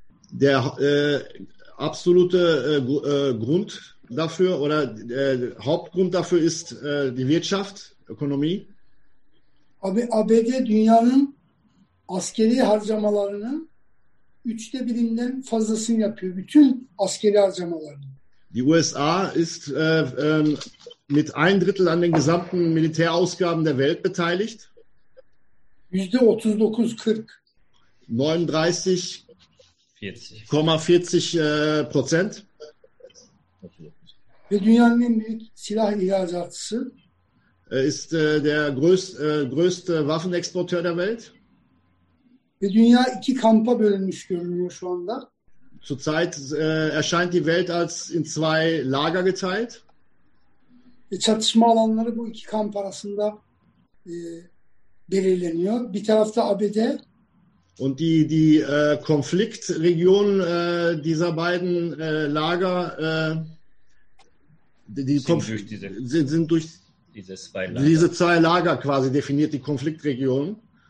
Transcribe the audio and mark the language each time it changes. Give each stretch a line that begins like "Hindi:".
German: Der absolute Grund dafür oder der Hauptgrund dafür ist die Wirtschaft, Ökonomie.
Turkish: ABD dünyanın askeri harcamalarının üçte birinden fazlasını yapıyor. Bütün askeri harcamalarını.
German: Die USA ist mit ein Drittel an den gesamten Militärausgaben der Welt beteiligt.
Turkish: %39-40.
German: 39,40 Prozent.
Turkish: Ve dünyanın en büyük silah ihracatçısı.
German: Ist der größte Waffenexporteur der Welt.
Turkish: Ve dünya iki kampa bölünmüş görünüyor şu anda.
German: Zurzeit erscheint die Welt als in zwei Lager geteilt.
Turkish: Çatışma alanları bu iki kamp arasında belirleniyor. Bir tarafta ABD.
German: Und die Konfliktregion dieser beiden Lager sind durch diese zwei Lager quasi definiert, die Konfliktregion.